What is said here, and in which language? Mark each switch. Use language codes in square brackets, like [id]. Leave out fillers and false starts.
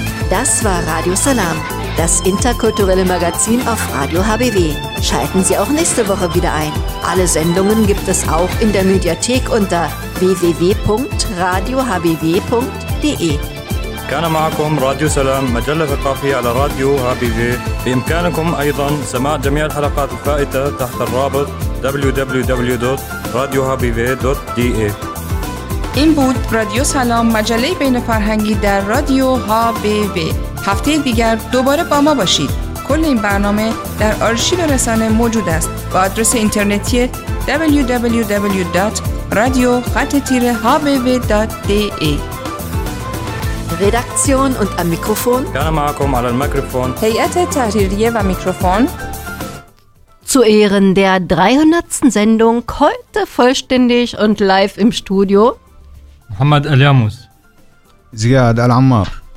[de] Das war Radio Salam. Das interkulturelle Magazin auf Radio HBW. Schalten Sie auch nächste Woche wieder ein. Alle Sendungen gibt es auch in der Mediathek unter www.radiohbw.de. [ar] كان معكم راديو سلام مجلة ثقافية على راديو HBW. بإمكانكم أيضا سماع جميع الحلقات الفائتة تحت الرابط www.radiohbw.de. [fa] این بود رادیو سلام، مجله بین فرهنگی در رادیو HBW. هفته دیگر دوباره با ما باشید. کل این برنامه در آرشیو رسانه موجود است با آدرس اینترنتی www.radio-hbw.de. [de] Redaktion und am Mikrofon. Gerne Markum an den Mikrofon. [fa] Heyate Tahririye [de] am Mikrofon. Zu Ehren der 300. Sendung, heute vollständig und live im Studio. Mohammed Al-Yamous. Ziyad Al-Ammar.